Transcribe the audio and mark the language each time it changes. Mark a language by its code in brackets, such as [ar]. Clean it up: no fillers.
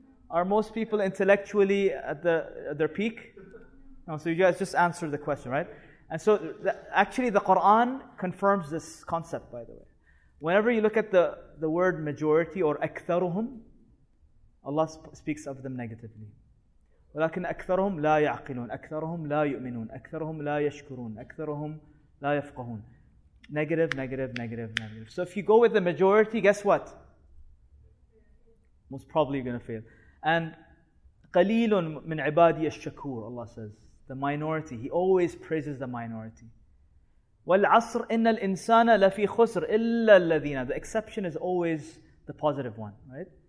[en] Are most people intellectually at their peak? No, so you guys just answer the question, right? And so actually the Quran confirms this concept, by the way. Whenever you look at the word majority or أكثرهم, Allah speaks of them negatively. [ar] ولكن أكثرهم لا يعقلون أكثرهم لا يؤمنون أكثرهم لا يشكرون أكثرهم لا يفقهون. [en] Negative, negative, negative, negative. So if you go with the majority, guess what? Most probably you're going to fail. And [ar] قَلِيلٌ مِنْ عِبَادِيَ الشَّكُورُ [en] Allah says. The minority. He always praises the minority. [ar] وَالْعَصْرِ إِنَّ الْإِنسَانَ لَفِي خُسْرِ إِلَّا الَّذِينَ [en] The exception is always the positive one, right?